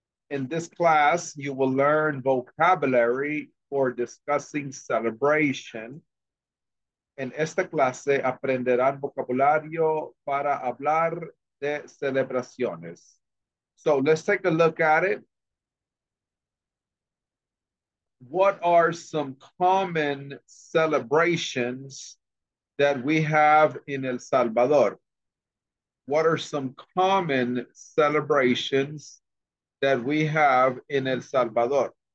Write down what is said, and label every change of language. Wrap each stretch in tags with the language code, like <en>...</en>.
<en>In this class, you will learn vocabulary for discussing celebration.</en> <es>En esta clase, aprenderán vocabulario para hablar de celebraciones.</es> <en>So let's take a look at it. What are some common celebrations that we have in El Salvador? What are some common celebrations that we have in El Salvador?</en>